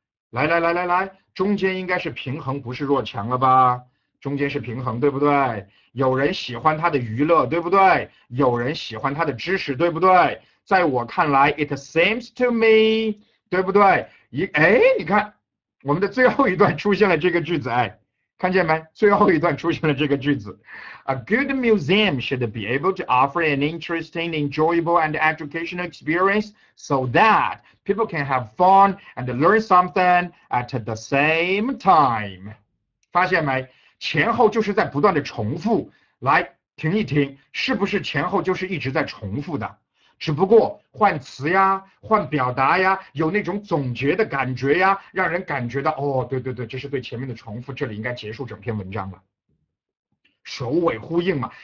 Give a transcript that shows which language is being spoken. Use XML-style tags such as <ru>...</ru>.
<zh>来，中间应该是平衡不是弱强了吧？中间是平衡，对不对？有人喜欢他的娱乐，对不对？有人喜欢他的知识，对不对？在我看来，</zh> <en>it seems to me，</en> <zh>对不对？你看我们的最后一段出现了这个句子，哎。看见没？最后一段出现了这个句子：</zh> <en>A good museum should be able to offer an interesting, enjoyable, and educational experience so that people can have fun and learn something at the same time。</en> <zh>发现没？前后就是在不断的重复。来，停一停，是不是前后就是一直在重复的？只不过换词呀，换表达呀，有那种总结的感觉呀，让人感觉到哦，对，这是对前面的重复，这里应该结束整篇文章了，首尾呼应嘛。</zh>